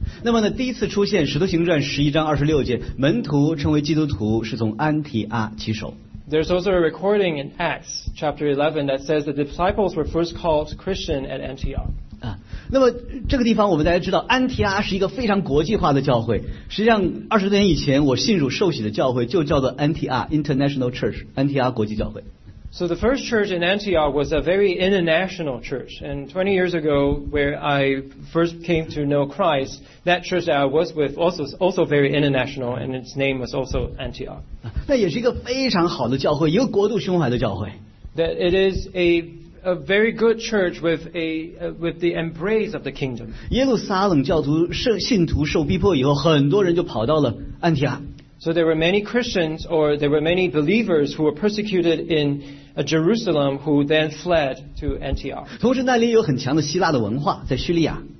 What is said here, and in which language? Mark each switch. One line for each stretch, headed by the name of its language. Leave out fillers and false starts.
Chinese: 那么呢，第一次出现《使徒行传》十一章二十六节，门徒称为基督徒是从安提阿起手。
English: There's also a recording in Acts chapter 11 that says the disciples were first called Christian at Antioch.
Chinese: 那么这个地方我们大家知道，安提阿是一个非常国际化的教会。实际上，二十多年以前我信主受洗的教会就叫做安提阿 International Church， 安提阿国际教会。
English: So the first church in Antioch was a very international church. And 20 years ago, where I first came to know Christ, that church that I was with was also very international, and its name was also Antioch.
Chinese: 那也是一个非常好的教会，一个国度胸怀的教会。
English: That it is a very good church with the embrace of the kingdom.
Chinese: 耶路撒冷教徒信徒受逼迫以后，很多人就跑到了安提阿。
English: So there were many Christians or there were many believers who were persecuted in Jerusalem who then fled to Antioch.
Chinese: 同时那里有很强的希腊的文化，在叙利亚。